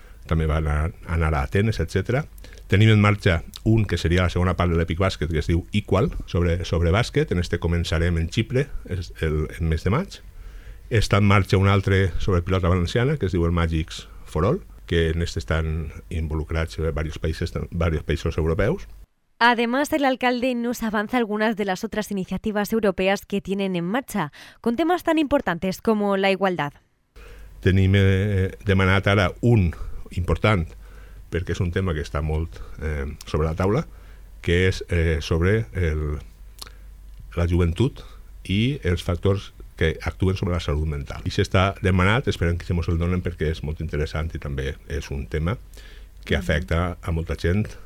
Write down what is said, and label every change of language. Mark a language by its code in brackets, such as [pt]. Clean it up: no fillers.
[ca] També van anar a Atenes, etc. Tenim en marxa un que seria la segona part de l'Epic Bàsquet, que es diu Equal, sobre bàsquet. En este començarem en Xipre, el mes de maig. Està en marxa un altre sobre pilota valenciana, que es diu el Magics for All, que en este estan involucrats diversos països europeus. [es] Además, el alcalde nos avanza algunas de las otras iniciativas europeas que tienen [ca] en marxa, con temes tan importants com la igualtat. Tenim demanat ara un important, perquè és un tema que està molt sobre la taula, que és sobre la joventut i els factors que actuen sobre la salut mental. I s'està demanat, esperem que se mos el donen perquè és molt interessant i també és un tema que afecta a molta gent.